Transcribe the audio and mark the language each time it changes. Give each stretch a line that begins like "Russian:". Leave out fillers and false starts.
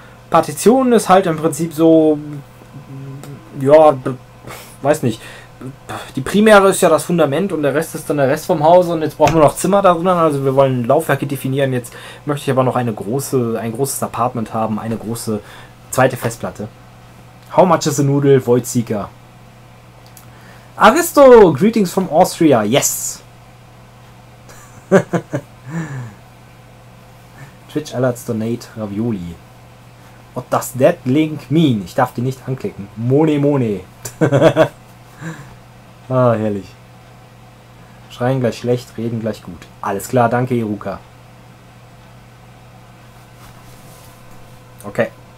German: Partition ist halt im Prinzip so, ja, weiß nicht. Die primäre ist ja das Fundament und der Rest ist dann der Rest vom Hause und jetzt brauchen wir noch Zimmer da drinnen. Also wir wollen Laufwerke definieren. Jetzt möchte ich aber noch ein großes Apartment haben, eine große zweite Festplatte.
English: How much is a noodle, Void Seeker? Aristo, greetings from Austria. Yes. Twitch Alerts Donate Ravioli. What does that link mean?
German: Ich darf die nicht anklicken.
English: Money, money.
German: Ah, herrlich. Schreien gleich schlecht, reden gleich gut. Alles klar, danke, Iruka. Okay.